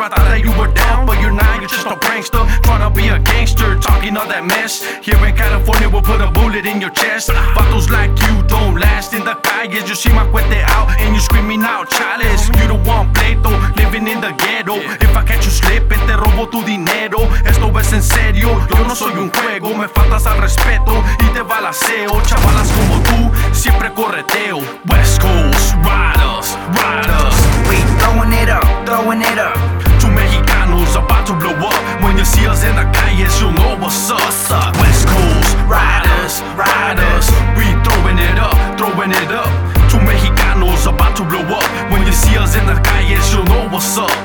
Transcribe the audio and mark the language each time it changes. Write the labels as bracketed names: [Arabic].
[English] I thought that you were down, but you're not, you're just a prankster. Tryna be a gangster, talking all that mess. Here in California, we'll put a bullet in your chest. Vatos like you don't last in the calles. You see my cuete out, and you're screaming out, Chales. You don't want pleito, living in the ghetto. If I catch you slipping, [Spanish] te robo tu dinero. Esto es en serio, yo no soy un juego. Me faltas al respeto y te balaceo. Chavalas como tú, siempre correteo. [English] West Coast Riders, Riders. We throwing it up, throwing it up. Two Mexicanos about to blow up. When you see us in the calles, you'll know what's up. What's up? West Coast Riders, Riders. We throwing it up, throwing it up. Two Mexicanos about to blow up. When you see us in the calles, you'll know what's up.